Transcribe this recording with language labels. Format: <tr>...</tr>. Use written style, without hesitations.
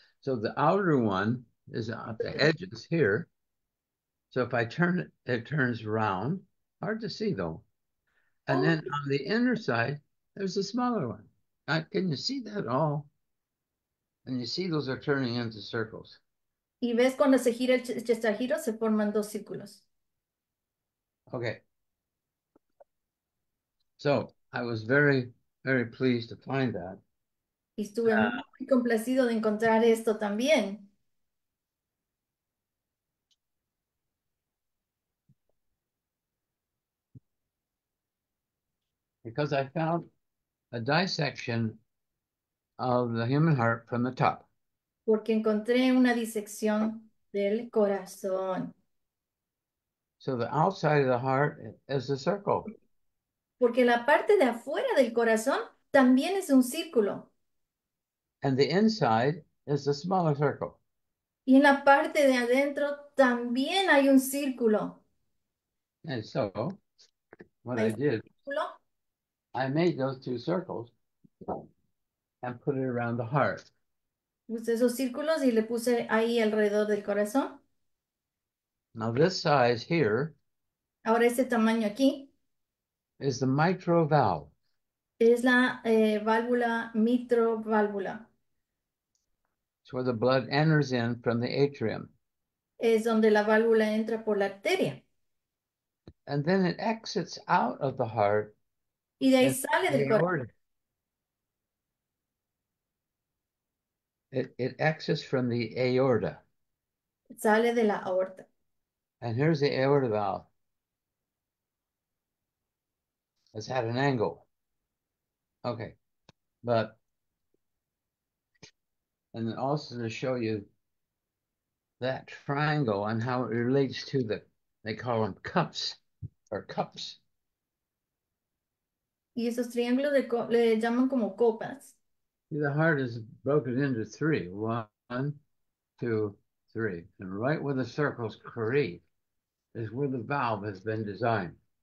<en>So the outer one is at the edges here. So if I turn it, it turns round. Hard to see though. And then on the inner side, there's a smaller one. Can you see that at all? And you see those are turning into circles.</en> <es>Y ves cuando se gira el chestahedro, se forman dos círculos.</es> <en>Okay. So I was very, very pleased to find that.</en> <es>Y estuve muy complacido de encontrar esto también.</es> <en>Because I found a dissection of the human heart from the top.</en> <es>Porque encontré una disección del corazón.</es> <en>So the outside of the heart is a circle.</en> <es>Porque la parte de afuera del corazón también es un círculo.</es> <en>And the inside is a smaller circle.</en> <es>Y en la parte de adentro también hay un círculo.</es> <en>And so, what</en> <es>Hay</es> <en>I</en> <es>un</es> <en>did.</en> <es>círculo.</es> <en>I made those two circles and put it around the heart.</en> <es>Puse esos círculos y le puse ahí alrededor del corazón.</es> <en>Now this size here</en> <es>Ahora ese tamaño aquí</es> <en>is the mitral valve.</en> <es>es la válvula mitroválvula.</es> <en>It's where the blood enters in from the atrium.</en> <es>Es donde la válvula entra por la arteria.</es> <en>And then it exits out of the heart</en> <es>Y de ahí sale</es> <en>the</en> <es>del corazón.</es> <en>aorta. It exits from the aorta.</en> <es>Sale de la aorta.</es> <en>And here's the aorta valve. It's at an angle. Okay. But, and then also to show you that triangle and how it relates to the, they call them cups or cups.</en> <es>Y esos triángulos de co le llaman como copas.</es> <en>The heart is broken into three. One, two, three. And right where the circles create is where the valve has been designed.</en>